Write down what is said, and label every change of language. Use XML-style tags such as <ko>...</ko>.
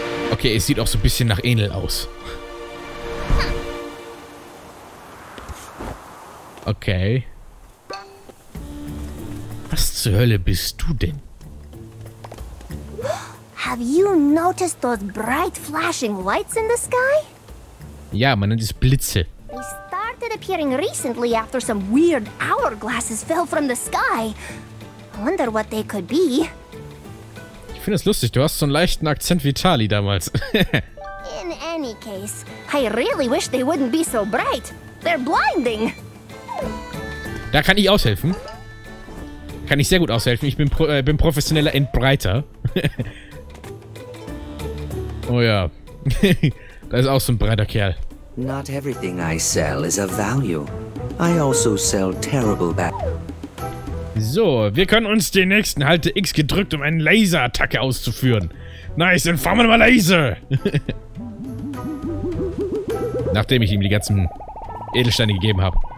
<de>Okay, es sieht auch so ein bisschen nach Enel aus. Okay. Was zur Hölle bist du denn?</de> <en>Have you noticed those bright flashing lights in the sky?</en> <de>Ja, man nennt es Blitze.</de> <en>They started appearing recently after some weird hourglasses fell from the sky. I wonder what they could be.</en> <de>Ich finde es lustig, du hast so einen leichten Akzent wie Tali damals.</de> <en>In any case, I really wish they wouldn't be so bright. They're blinding.</en> <de>Da kann ich aushelfen. Kann ich sehr gut aushelfen. Ich bin professioneller Entbreiter. Oh ja. Da ist auch so ein breiter Kerl.</de> <en>Not everything I sell is of value. I also sell terrible bad.</en> <de>So, wir können uns den nächsten halte X gedrückt, um eine Laserattacke auszuführen. Nice, dann fahren wir mal Laser. Nachdem ich ihm die ganzen Edelsteine gegeben habe.</de>